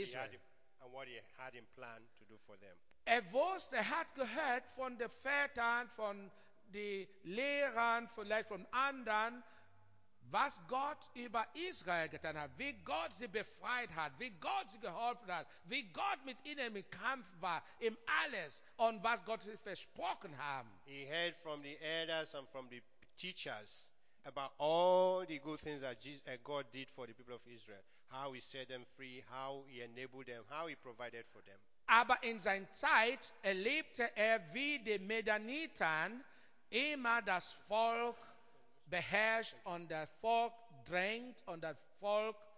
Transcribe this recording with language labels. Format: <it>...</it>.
<en>Israel. he had in plan to do for them.</en> <de>Er wusste, er hat gehört von den Vätern, von den Lehrern, vielleicht von anderen, was Gott über Israel getan hat, wie Gott sie befreit hat, wie Gott sie geholfen hat, wie Gott mit ihnen im Kampf war, im alles und was Gott sie versprochen haben.</de> <en>He heard from the elders and from the teachers about all the good things that God did for the people of Israel, how he set them free, how he enabled them, how he provided for them.</en> <de>Aber in seiner Zeit erlebte er, wie die Medaniten Immer das Volk beherrscht und das Volk drängt und das Volk.</de>